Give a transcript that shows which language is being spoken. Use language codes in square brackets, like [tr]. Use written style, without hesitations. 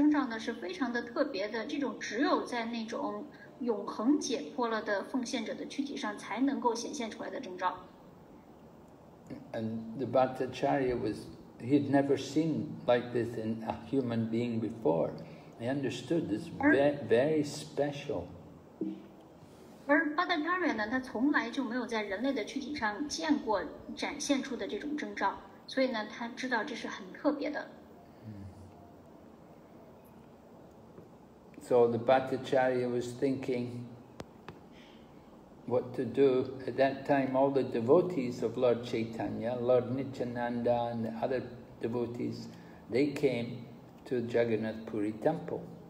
[zh] 也呢，就是他的这种征兆呢，是非常的特别的，这种只有在那种 永恒解脱了的奉献者的躯体上才能够显现出来的征兆。 [en] And the Bhattacharya he'd never seen like this in a human being before. He understood this very special. [zh] 而巴达达瑞呢，他从来就没有在人类的躯体上见过展现出的这种征兆，所以呢，他知道这是很特别的。 [en] So the Bhattacharya was thinking what to do. At that time, all the devotees of Lord Chaitanya, Lord Nityananda and the other devotees, they came to Jagannath Puri temple.